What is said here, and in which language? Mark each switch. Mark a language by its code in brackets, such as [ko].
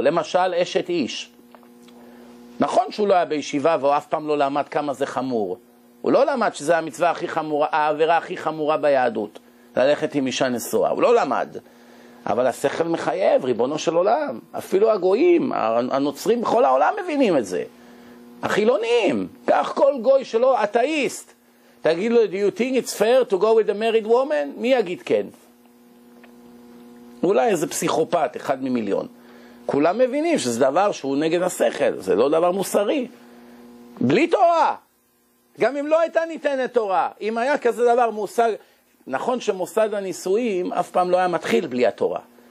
[he] למשל, אשת איש. נכון שהוא לא היה בישיבה והוא אף פעם לא למד כמה זה חמור. הוא לא למד שזה המצווה הכי חמורה, העבירה הכי חמורה ביהדות, ללכת עם אישה נשואה. הוא לא למד. אבל השכל מחייב, ריבונו של עולם. אפילו הגויים, הנוצרים בכל העולם מבינים את זה. החילונים, כך כל גוי שלו, אתאיסט, תגיד לו, [en] do you think it's fair to go with a married woman? [he] מי יגיד כן? אולי איזה פסיכופת, אחד ממיליון. כולם מבינים שזה דבר שהוא נגד השכל, זה לא דבר מוסרי. בלי תורה, גם אם לא הייתה ניתנת תורה, אם היה כזה דבר מושג, נכון שמוסד הנישואים אף פעם לא היה מתחיל בלי התורה.